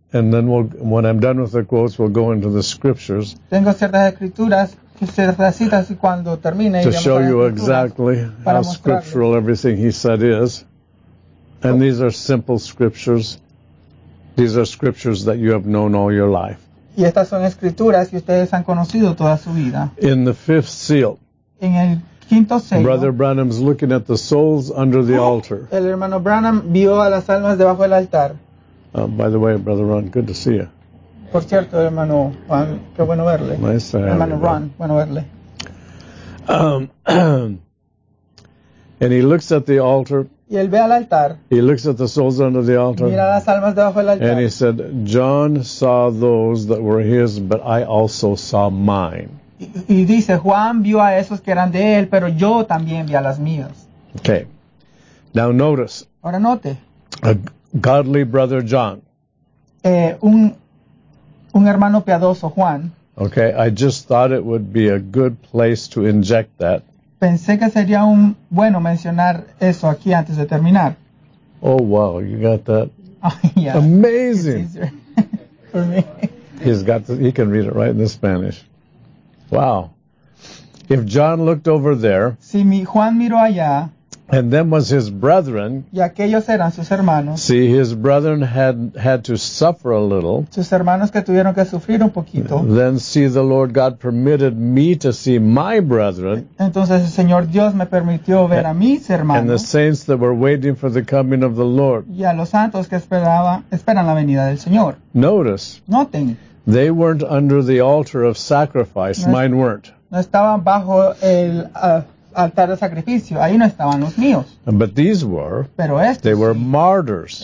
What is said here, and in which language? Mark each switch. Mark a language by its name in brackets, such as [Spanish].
[English] And then we'll, when I'm done with the quotes, we'll go into the scriptures. [Spanish] Tengo ciertas escrituras, ciertas citas, y cuando termine, [English] to show you exactly how scriptural everything he said is. And these are simple scriptures. These are scriptures that you have known all your life. [Spanish] Y estas son escrituras que ustedes han conocido toda su vida. [English] In the fifth seal. [Spanish] En el quinto sello. [English] Brother Branham's looking at the souls under the altar. [Spanish] El hermano Branham vio a las almas debajo del altar. [English] By the way, Brother Ron, good to see you. [Spanish] Por cierto, hermano Juan, qué bueno verle. [English] Nice to [Spanish] hermano [English] have you, [Spanish] Ron, bueno verle. [English] and he looks at the altar. [Spanish] Y él ve al altar. [English] He looks at the souls under the altar. [Spanish] Mira las almas debajo del altar. [English] And he said, John saw those that were his, but I also saw mine. [Spanish] Y dice, Juan vio a esos que eran de él, pero yo también vi a las mías. [English] Okay. Now notice. [Spanish] Ahora note. [English] Godly brother John. [Spanish] Un hermano piadoso, Juan. [English] Okay, I just thought it would be a good place to inject that. [Spanish] Pensé que sería un bueno mencionar eso aquí antes de terminar. [English] Oh, wow, you got that? Oh, yeah. Amazing! It's easier for me. He's got he can read it right in the Spanish. Wow. If John looked over there. [Spanish] Si mi Juan miró allá. [English] And then was his brethren. [Spanish] Y aquellos eran sus hermanos. [English] See, his brethren had to suffer a little. [Spanish] Sus hermanos que tuvieron que sufrir un poquito. [English] Then see, the Lord God permitted me to see my brethren. [Spanish] Entonces el Señor Dios me permitió ver a mis hermanos. [English] And the saints that were waiting for the coming of the Lord. [Spanish] Y a los santos que esperan la venida del Señor. [English] Notice. [Spanish] Noten. [English] They weren't under the altar of sacrifice. No, mine weren't. [Spanish] No estaban bajo el altar de sacrificio. Ahí no estaban los míos. [English] But these were. [Spanish] Pero estos. [English] They were martyrs.